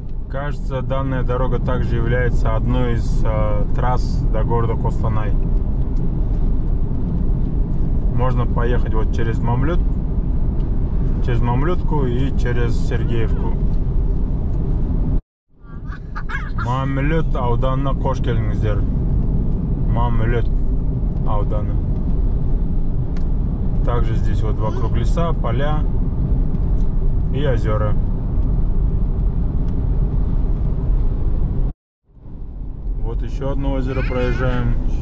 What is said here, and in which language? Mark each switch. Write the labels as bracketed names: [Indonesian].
[Russian] Кажется, данная дорога также является одной из трасс до города Костанай. Можно поехать вот через Мамлют, через Мамлютку и через Сергеевку. [Kazakh] Мамлют ауданына қош келдіңіздер. Мамлют ауданы. [Russian] Также здесь вот вокруг леса, поля и озера. Вот еще одно озеро проезжаем.